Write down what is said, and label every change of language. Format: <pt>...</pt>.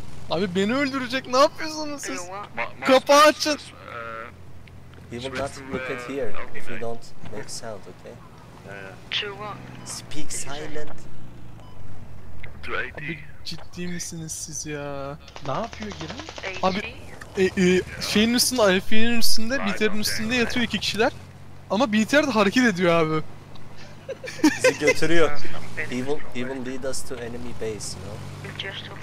<tr>Abi beni öldürecek, ne yapıyorsunuz siz? Kapağı açın.</tr> <en>You will not look at here if you don't make sound, okay? Speak silent.</en> <tr>Abi ciddi misiniz siz ya? Ne yapıyor Giren? Abi şeyin üstünde, IFE'nin üstünde, BTR'nin üstünde yatıyor iki kişiler. Ama BTR de hareket ediyor abi. Bizi götürüyor.</tr> <en>He will lead us to enemy base, you know?</en>